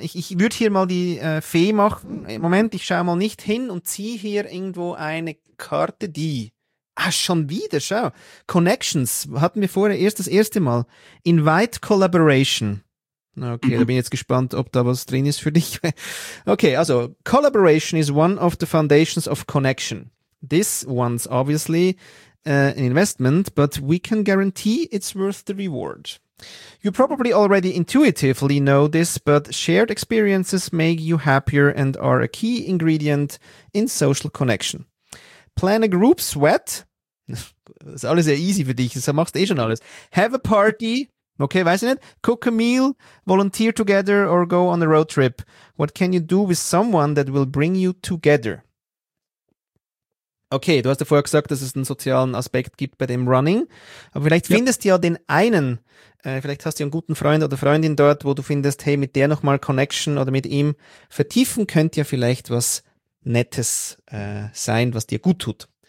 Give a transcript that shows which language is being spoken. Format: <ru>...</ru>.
<de>Ich würde hier mal die Fee machen. Moment, ich schaue mal nicht hin und ziehe hier irgendwo eine Karte, die... Ah, schon wieder, schau. Connections hatten wir vorher erst das erste Mal.</de> <en>Invite Collaboration.</en> <de>Okay, da bin ich jetzt gespannt, ob da was drin ist für dich.</de> <en>Okay, also, collaboration is one of the foundations of connection. This one's obviously an investment, but we can guarantee it's worth the reward. You probably already intuitively know this, but shared experiences make you happier and are a key ingredient in social connection. Plan a group sweat.</en> <de>Das ist alles sehr easy für dich, das machst du eh schon alles.</de> <en>Have a party.</en> <de>Okay, weiß ich nicht.</de> <en>Cook a meal, volunteer together or go on a road trip. What can you do with someone that will bring you together?</en> <de>Okay, du hast ja vorher gesagt, dass es einen sozialen Aspekt gibt bei dem Running. Aber vielleicht findest du ja den einen, vielleicht hast du einen guten Freund oder Freundin dort, wo du findest, hey, mit der nochmal Connection oder mit ihm vertiefen könnt ihr vielleicht was Nettes sein, was dir gut tut.</de>